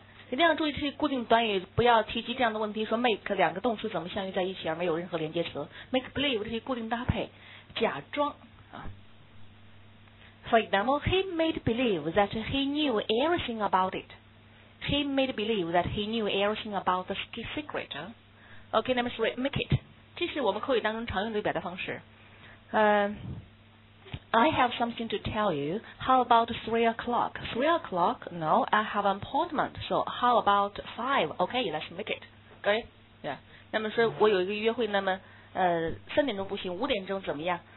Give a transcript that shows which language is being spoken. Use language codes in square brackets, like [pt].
[zh] 一定要注意这些固定短语，不要提及这样的问题，说 make 两个动词怎么相遇在一起而没有任何连接词。 Make believe 这些固定搭配，假装啊。 [en] For example, he made believe that he knew everything about it. He made believe that he knew everything about the secret. Okay, number three, make it. [zh] 这是我们口语当中常用的表达方式。 [en] I have something to tell you. How about 3 o'clock? 3 o'clock? No, I have an appointment. So how about 5? Okay, let's make it. Okay? Yeah. [zh] 那么说我有一个约会，那么三点钟不行，五点钟怎么样？